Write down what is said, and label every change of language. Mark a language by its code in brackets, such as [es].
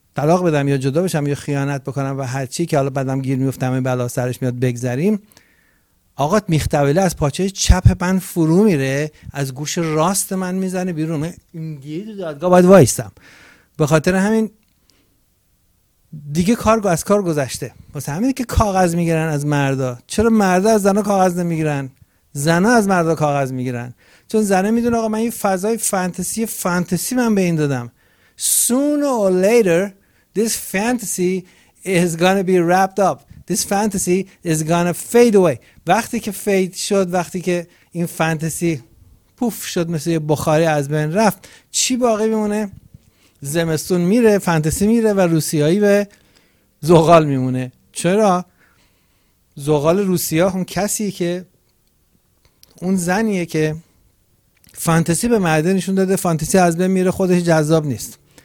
[fa] طلاق بدم یا جدا بشم یا خیانت بکنم و هر چی که حالا بعدم گیر میفتم این بلا سرش میاد بگذریم، آقات میختوله از پاچه چپ من فرو میره، از گوش راست من میزنه بیرون، این دیگه تو دادگاه باید وایستم. به خاطر همین دیگه کار از کار گذشته. واسه همینه که کاغذ میگیرن از مردا. چرا مردا از زنا کاغذ نمیگیرن؟ زنا از مردا کاغذ میگیرن، چون زنه میدونه آقا من این فضای فانتزی من به این دادم. [en] Soon or later this fantasy is gonna be wrapped up. This fantasy is gonna fade away. [fa] وقتی که فید شد، وقتی که این فانتزی پوف شد مثل بخاری از بین رفت، چی باقی میمونه؟ زمستون میره، فانتزی میره و روسیایی به زغال میمونه. چرا؟ زغال روسیا هم کسیه که اون زنیه که فانتزی به مرده نشون داده، فانتزی از بین میره، خودش جذاب نیست.